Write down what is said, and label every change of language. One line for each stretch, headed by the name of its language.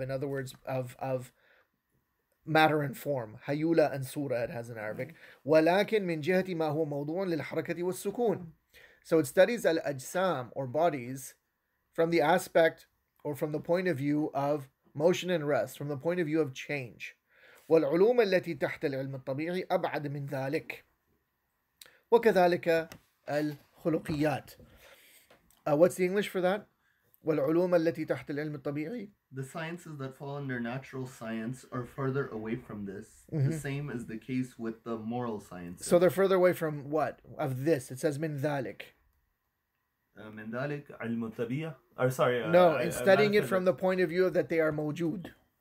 English: In other words, of matter and form. Hayula and Surah it has in Arabic.
Arabic: وَلَكِنْ مِنْ جِهَةِ مَا هُوَ مَوْضُوعٌ لِلْحَرَكَةِ وَالسُّكُونِ.
English: So it studies al-ajsam, or bodies, from the aspect or from the point of view of motion and rest, from the point of view of change.
Arabic: والعلوم التي تحت العلم الطبيعي أبعد من ذلك وكذلك الخلقيات.
English: What's the English for that?
Arabic: والعلوم التي تحت العلم الطبيعي.
English: The sciences that fall under natural science are further away from this. Mm-hmm. The same as the case with the moral sciences. So they're further away from what? Of this. It says
Arabic: من ذلك. من ذلك علم الطبيعة.
English: Or sorry. No, in studying it from the point of view that they are موجود.